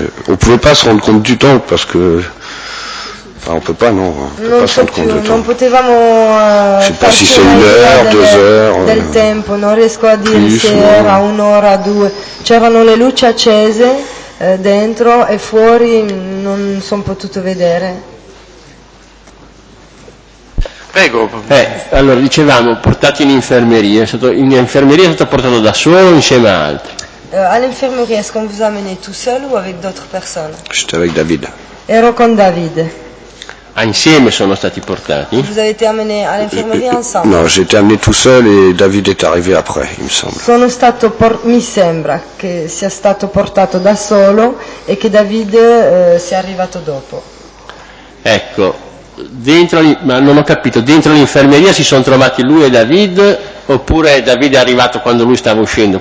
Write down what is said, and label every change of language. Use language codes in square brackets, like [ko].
[fr] On pouvait pas se rendre compte du temps parce que. Enfin, on peut pas, non. [it] Non potevamo. [fr] Je sais pas si c'est une heure, deux heures. [it] Del tempo, non riesco a dire se era un'ora, due. C'erano le luci accese dentro e fuori, non sono potuto vedere. Prego. Allora dicevamo, portati in infermeria, è stato portato da solo insieme a altri. All'infermeria, [fr] est-ce qu'on vous a amené tout seul ou avec d'autres personnes? J'étais avec David. [it] Ero con David. insieme sono stati portati. [fr] Vous avez été amené à l'infirmerie ensemble. Non, j'ai été amené tout seul et David est arrivé après, il me semble. [it] Sono stato mi sembra che sia stato portato da solo e che David sia arrivato dopo. Ecco, dentro ma non ho capito, dentro l'infermeria si sono trovati lui e David oppure David è arrivato quando lui stava uscendo?